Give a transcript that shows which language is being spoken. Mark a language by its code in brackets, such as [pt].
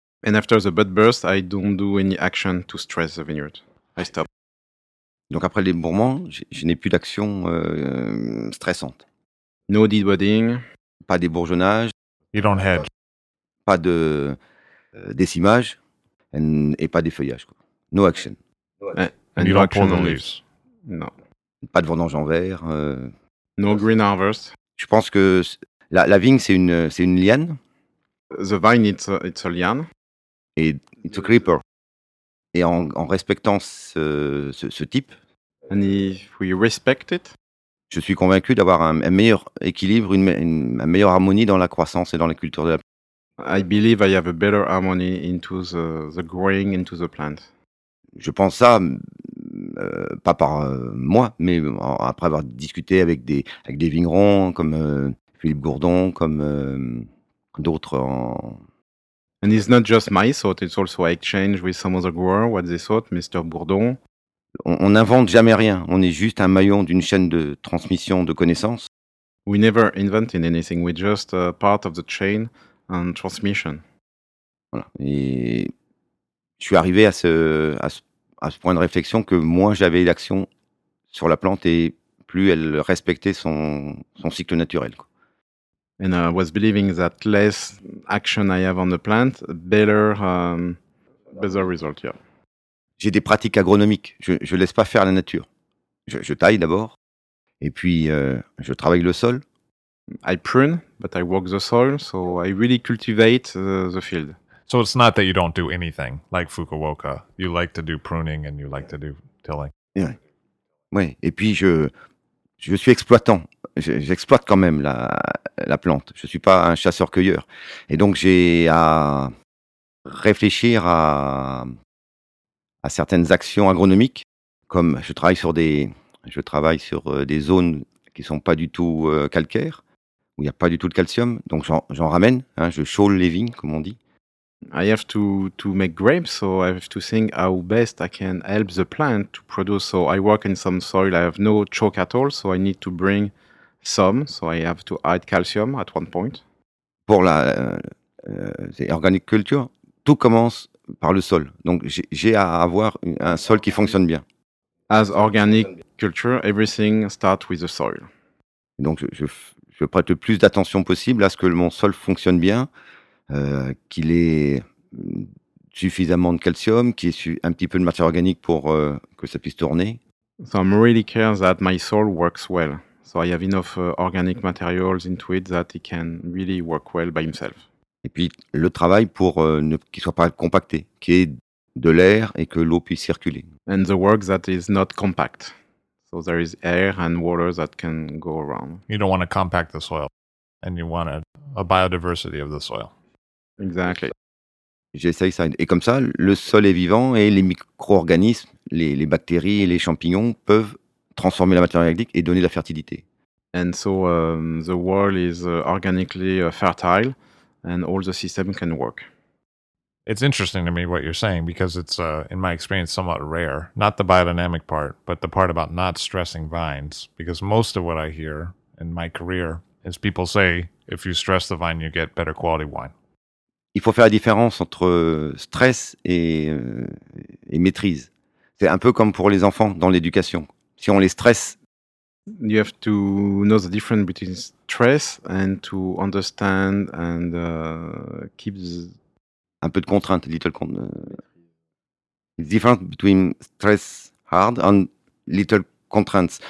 [en] And after the bud burst, I don't do any action to stress the vineyard. I stop. [fr] Donc après les bourrements, je n'ai plus d'action stressante. [en] No debudding. [fr] Pas des bourgeonnages. [en] You don't hedge. [fr] Pas de décimage et pas des feuillages. [en] No action. And you don't pull the leaves. [fr] Non. Pas de vendange en vert. [en] No green harvest. [fr] Je pense que la vigne, c'est une liane. [en] The vine, it's a liane. [fr] Et [en] it's a creeper. [fr] Et en respectant ce type, [en] and if we respect it, [fr] je suis convaincu d'avoir un meilleur équilibre, une meilleure harmonie dans la croissance et dans la culture de la plante. [en] I believe I have a better harmony into the growing into the plant. [fr] Je pense ça, pas par moi, mais après avoir discuté avec des vignerons comme Philippe Gourdon, comme d'autres en... [en] And it's not just my thought, it's also I exchange with some other grower, what they thought, Mr. Bourdon. [fr] On n'invente jamais rien, on est juste un maillon d'une chaîne de transmission de connaissances. [en] We never invent anything, we're just a part of the chain and transmission. [fr] Voilà, et je suis arrivé à ce point de réflexion que moins j'avais d'action sur la plante et plus elle respectait son cycle naturel, quoi. [en] And I was believing that less action I have on the plant, better result, yeah. [fr] J'ai des pratiques agronomiques. Je laisse pas faire la nature. Je taille d'abord, et puis je travaille le sol. [en] I prune, but I work the soil, so I really cultivate the field. So it's not that you don't do anything, like Fukuoka. You like to do pruning and you like to do tilling. [fr] Oui, et puis je suis exploitant. J'exploite quand même la plante. Je ne suis pas un chasseur-cueilleur. Et donc j'ai à réfléchir à certaines actions agronomiques, comme je travaille sur des zones qui ne sont pas du tout calcaires, où il n'y a pas du tout de calcium. Donc j'en ramène, hein, je chaule les vignes, comme on dit. [en] I have to make grapes, so I have to think how best I can help the plant to produce. So I work in some soil, I have no chalk at all, so I need to bring some, so I have to add calcium at one point. [fr] Pour l' [en] organic culture, [fr] tout commence par le sol. Donc j'ai à avoir un sol qui fonctionne bien. [en] As organic culture, everything starts with the soil. [fr] Donc je prête le plus d'attention possible à ce que mon sol fonctionne bien, qu'il ait suffisamment de calcium, qu'il ait un petit peu de matière organique pour que ça puisse tourner. [en] So I'm really care that my soil works well. So I have enough organic materials into it that it can really work well by himself. [fr] Et puis le travail pour qu'il soit pas compacté, qu'il y ait de l'air et que l'eau puisse circuler. [en] And the work that is not compact. So there is air and water that can go around. You don't want to compact the soil and you want a biodiversity of the soil. Exactly. [fr] J'essaye ça. Et comme ça, le sol est vivant et les micro-organismes, les bactéries et les champignons peuvent transformer la matière organique et donner la fertilité. [en] And so the world is organically fertile and all the system can work. It's interesting to me what you're saying because it's, in my experience, somewhat rare. Not the biodynamic part, but the part about not stressing vines. Because most of what I hear in my career is people say, if you stress the vine, you get better quality wine. [fr] Il faut faire la différence entre stress et maîtrise. C'est un peu comme pour les enfants dans l'éducation. Si on les stresse. [en] You have to know the difference between stress and to understand and keep [fr] un peu de contrainte, [en] little difference between stress hard and little constraints.